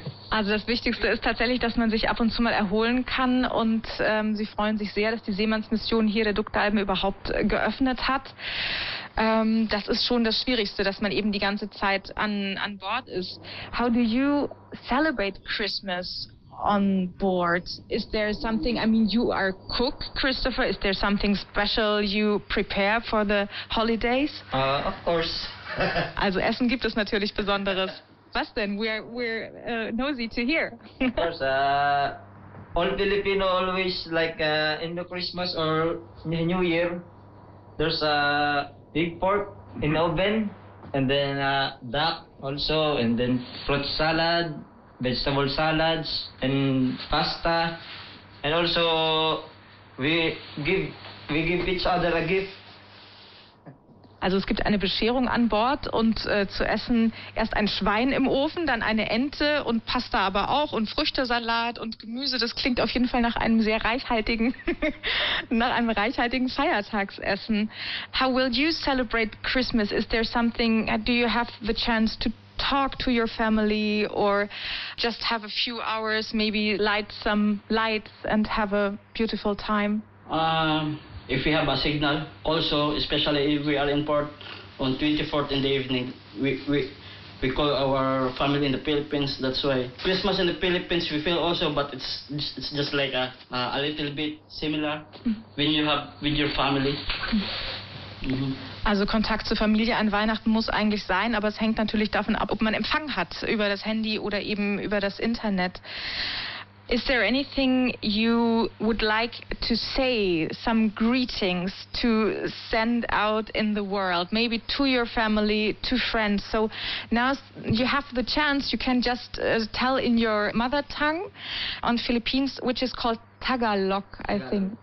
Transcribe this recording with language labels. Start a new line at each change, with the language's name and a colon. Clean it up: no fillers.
German: Also das Wichtigste ist tatsächlich, dass man sich ab und zu mal erholen kann und sie freuen sich sehr, dass die Seemannsmission hier der Duktalben überhaupt geöffnet hat. Das ist schon das Schwierigste, dass man eben die ganze Zeit an Bord ist.
English: How do you celebrate Christmas on board? Is there something, I mean, you are cook, Christopher, is there something special you prepare for the holidays? Of course.
German: Also Essen gibt es natürlich Besonderes. Was denn?
English: We're nosy to hear. Of course, all Filipino always like in the Christmas or New Year, there's a big pork in oven, and then duck also, and then fruit salad, vegetable salads, and pasta, and also we give each other a gift.
German: Also es gibt eine Bescherung an Bord und zu essen erst ein Schwein im Ofen, dann eine Ente und Pasta aber auch und Früchtesalat und Gemüse. Das klingt auf jeden Fall nach einem sehr reichhaltigen, nach einem reichhaltigen Feiertagsessen.
English: How will you celebrate Christmas? Is there something, do you have the chance to talk to your family or just have a few hours, maybe light some lights and have a beautiful time? If we have a signal, also, especially if we are in port on 24th in the evening, we call our family in the Philippines, that's why. Christmas in the Philippines we feel also, but it's just like a little bit similar when you have with your family. Mhm.
German: Also Kontakt zur Familie an Weihnachten muss eigentlich sein, aber es hängt natürlich davon ab, ob man Empfang hat über das Handy oder eben über das Internet.
English: Is there anything you would like to say, some greetings to send out in the world, maybe to your family, to friends? So now you have the chance, you can just tell in your mother tongue on Philippines, which is called Tagalog, I think.